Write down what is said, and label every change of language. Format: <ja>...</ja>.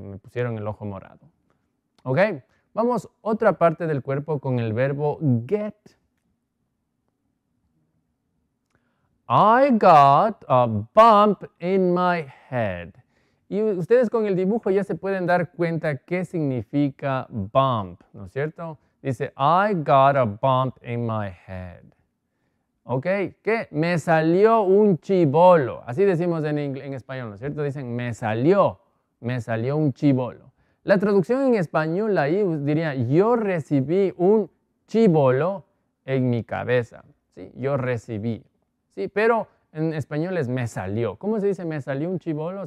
<es>Me pusieron el ojo morado. ¿Ok? Vamos otra parte del cuerpo con el verbo get.</es> <en>I got a bump in my head.</en> <es>Y ustedes con el dibujo ya se pueden dar cuenta qué significa bump, ¿no es cierto?</es> <en>Dice, I got a bump in my head.</en> <es>¿Ok? ¿Qué? Me salió un chibolo. Así decimos en español, ¿no es cierto? Dicen, me salió un chibolo. La traducción en español ahí diría, yo recibí un chibolo en mi cabeza. ¿Sí? Yo recibí. Sí, pero en español es me salió. ¿Cómo se dice me salió un chibolo?</es>